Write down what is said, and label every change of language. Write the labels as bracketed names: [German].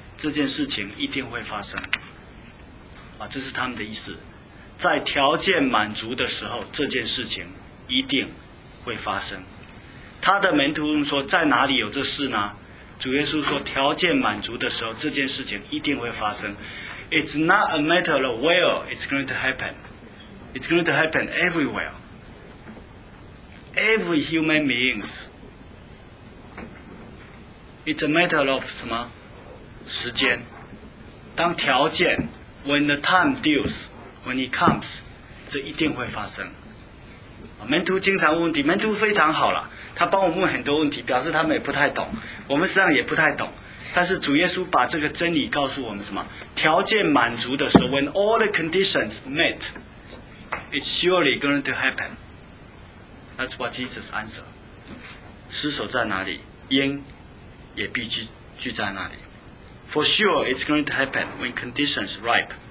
[Chinese] 这件事情一定会发生啊，这是他们的意思，在条件满足的时候这件事情一定会发生。他的门徒们说，在哪里有这事呢？主耶稣说，条件满足的时候这件事情一定会发生。 [English] It's not a matter of where it's going to happen, it's going to happen everywhere, every human beings. It's a matter of [Chinese] 什么时间，当条件 [English] when the time deals, when it comes, [Chinese] 这一定会发生。门徒经常问问题，门徒非常好了，他帮我问很多问题，表示他们也不太懂，我们实际上也不太懂，但是主耶稣把这个真理告诉我们，什么条件满足的时候， [English] when all the conditions met, it's surely going to happen. That's what Jesus answered. [Chinese] 失守在哪里，因也必 聚在哪里。 [English] For sure it's going to happen when conditions ripe.